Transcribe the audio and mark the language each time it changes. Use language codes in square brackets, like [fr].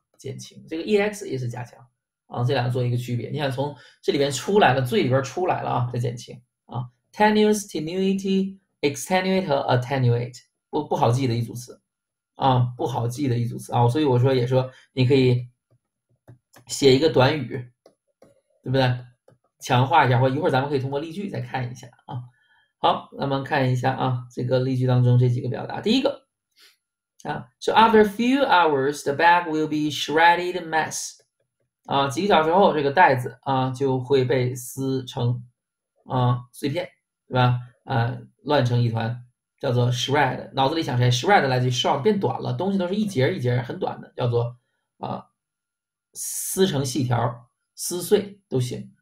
[zh] 减轻这个 ex 也是加强啊，这两个做一个区别。你想从这里边出来了，最里边出来了啊，再减轻啊，tenuous、tenuity、extenuate 和 attenuate，不好记的一组词啊，不好记的一组词啊。所以我说也说你可以写一个短语，对不对？强化一下，或一会儿咱们可以通过例句再看一下啊。好，那么看一下啊，这个例句当中这几个表达，第一个。 [en] So after a few hours, the bag will be shredded mess. [zh] 几个小时后，这个袋子就会被撕成碎片，对吧？乱成一团，叫做 shred。脑子里想谁？shred 来自于 short，变短了，东西都是一节一节很短的，叫做撕成细条，撕碎都行。